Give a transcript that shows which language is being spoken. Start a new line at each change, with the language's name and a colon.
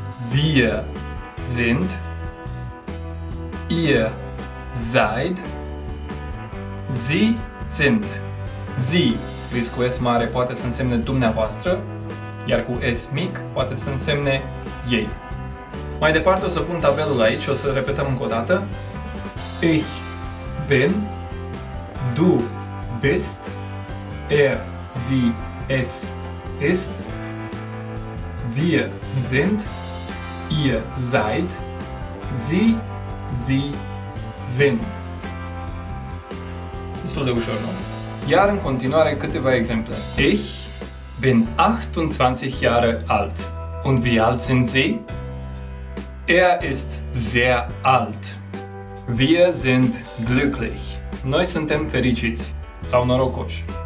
German: Wir sind. Ihr seid. Sie sind.
Romanian: Sie, scris cu S mare, poate să însemne dumneavoastră, iar cu S mic, poate să însemne ei. Mai departe o să pun tabelul aici și o să repetăm încă o dată.
German: Ich bin, du bist, er, sie, es, ist, wir sind, ihr seid, sie, sie sind.
Romanian: Destul de ușor, nu? Iar în continuare câteva exemple.
German: Ich bin 28 Jahre alt. Und wie alt sind Sie? Er ist sehr alt. Wir sind glücklich.
Romanian: Noi suntem fericiți sau norocoși.